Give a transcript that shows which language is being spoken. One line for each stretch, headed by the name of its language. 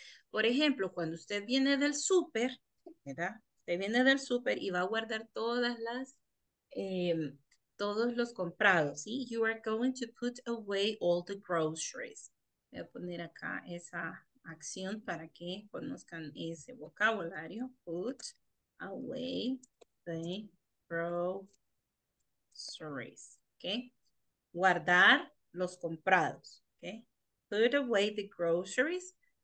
Spanish: Por ejemplo, cuando usted viene del súper, ¿verdad? Usted viene del súper y va a guardar todas las... todos los comprados, ¿sí?
English: You are going to put away all the groceries.
Spanish: Voy a poner acá esa acción para que conozcan ese vocabulario.
English: Put away the groceries, ¿ok?
Spanish: Guardar los comprados, ¿ok?
English: Put away the groceries.